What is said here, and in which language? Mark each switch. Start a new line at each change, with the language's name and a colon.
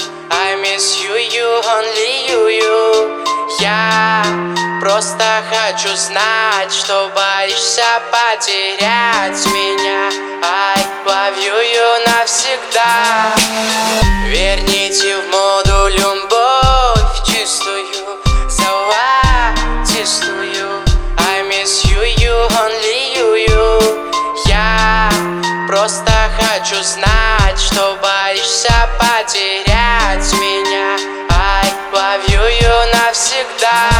English: I miss you, you, only you, you.
Russian: Я просто хочу знать, что боишься потерять меня.
English: I love you, you навсегда.
Russian: Верните в моду любовь чистую, золотистую.
English: I miss you, you, only you, you.
Russian: Я просто хочу знать, что боишься потерять меня.
English: I love you, you навсегда.